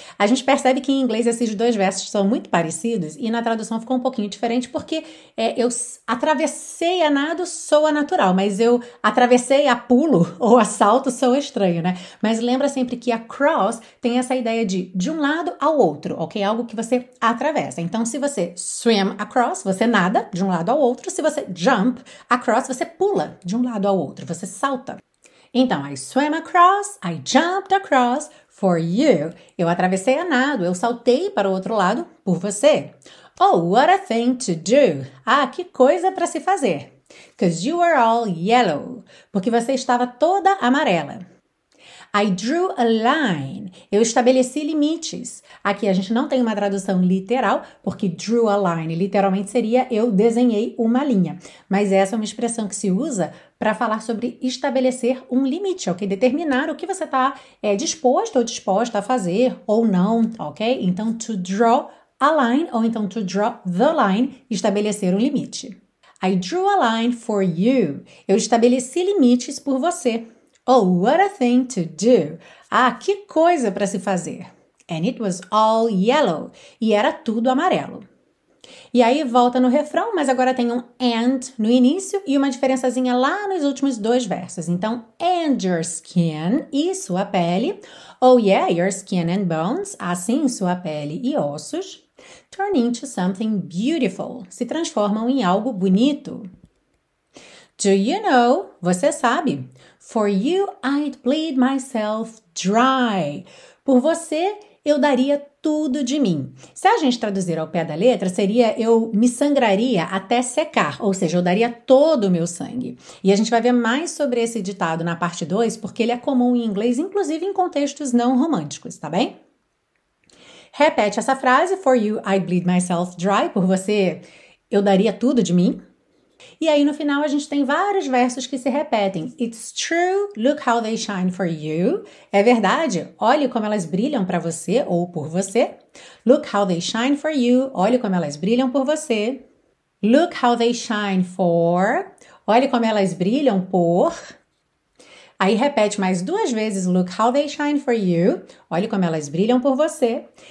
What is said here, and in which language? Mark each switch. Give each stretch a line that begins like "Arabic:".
Portuguese: A gente percebe que em inglês esses dois versos são muito parecidos e na tradução ficou um pouquinho diferente porque eu atravessei a nado soa natural, mas eu atravessei a pulo ou a salto soa estranho, né? Mas lembra sempre que across tem essa ideia de um lado ao outro, ok? Algo que você atravessa. Então, se você
English: swim across,
Portuguese: você nada de um lado ao outro. Se você
English: jump across,
Portuguese: você pula de um lado ao outro, você salta. Então,
English: I swam across, I jumped across for you.
Portuguese: Eu atravessei a nado, eu saltei para o outro lado por você.
English: Oh, what a thing to do!
Portuguese: Ah, que coisa para se fazer!
English: 'Cause you were all yellow.
Portuguese: Porque você estava toda amarela.
English: I drew a line.
Portuguese: Eu estabeleci limites. Aqui a gente não tem uma tradução literal, porque
English: drew a line
Portuguese: literalmente seria eu desenhei uma linha. Mas essa é uma expressão que se usa para falar sobre estabelecer um limite, ok? Determinar o que você está disposto ou disposta a fazer ou não, ok? Então,
English: to draw a line
Portuguese: ou então
English: to draw the line,
Portuguese: estabelecer um limite.
English: I drew a line for you.
Portuguese: Eu estabeleci limites por você.
English: Oh, what a thing to do!
Portuguese: Ah, que coisa para se fazer!
English: And it was all yellow.
Portuguese: E era tudo amarelo. E aí volta no refrão, mas agora tem um and no início e uma diferençazinha lá nos últimos dois versos. Então,
English: and your skin,
Portuguese: e sua pele.
English: Oh, yeah, your skin and bones,
Portuguese: assim sua pele e ossos.
English: Turn into something beautiful.
Portuguese: Se transformam em algo bonito.
English: Do you know?
Portuguese: Você sabe.
English: For you, I'd bleed myself dry.
Portuguese: Por você, eu daria tudo de mim. Se a gente traduzir ao pé da letra, seria eu me sangraria até secar, ou seja, eu daria todo o meu sangue. E a gente vai ver mais sobre esse ditado na parte 2, porque ele é comum em inglês, inclusive em contextos não românticos, tá bem? Repete essa frase:
English: For you, I'd bleed myself dry.
Portuguese: Por você, eu daria tudo de mim. E aí no final a gente tem vários versos que se repetem.
English: It's true, look how they shine for you.
Portuguese: É verdade, olhe como elas brilham para você ou por você.
English: Look how they shine for you,
Portuguese: olhe como elas brilham por você.
English: Look how they shine for,
Portuguese: olhe como elas brilham por. Aí repete mais duas vezes,
English: look how they shine for you,
Portuguese: olhe como elas brilham por você.